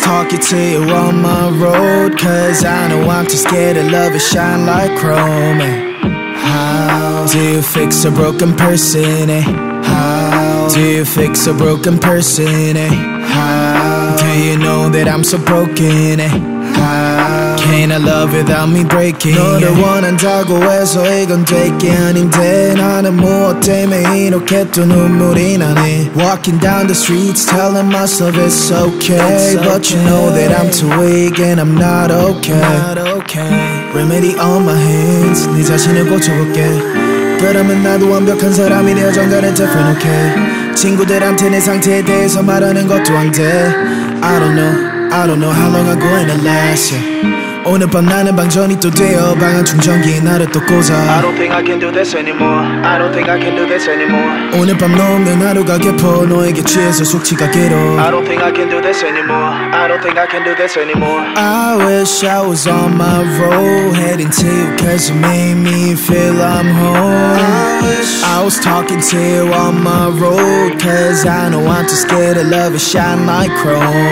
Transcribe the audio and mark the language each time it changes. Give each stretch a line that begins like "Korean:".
English: talking to you on my road, cause I know I'm too scared of love, it shine like chrome. Do you fix a broken person, eh? How? Do you fix a broken person, eh? How? Do you know that I'm so broken, eh? How? Can I love without me breaking?
Korean: 너를 원한다고 해서 이건 되게 아닌데 나는 무엇 때문에 이렇게 또 눈물이 나네.
English: Walking down the streets telling myself it's okay, it's okay. But you know that I'm too weak and I'm not okay, not okay. Remedy on my hands,
Korean: 네 자신을 고쳐볼게. 그러면 나도 완벽한 사람이 되어 정갈을
English: different, okay.
Korean: 친구들한테 내 상태에 대해서 말하는 것도 안 돼.
English: I don't know how long I'm gonna last, yeah.
Korean: 오늘 밤 나는 방전이 또 되어 방안 충전기 나를 또 꽂아.
English: I don't think I can do this anymore, I don't think I can do this anymore.
Korean: 오늘 밤 넘는 하루가 깊어 너에게 취해서 숙취가 길어.
English: I don't think I can do this anymore, I don't think I can do this anymore. I wish I was on my road, heading to you cause you made me feel I'm home. I was talking to you on my road, cause I know I'm too scared of love, it shine like chrome.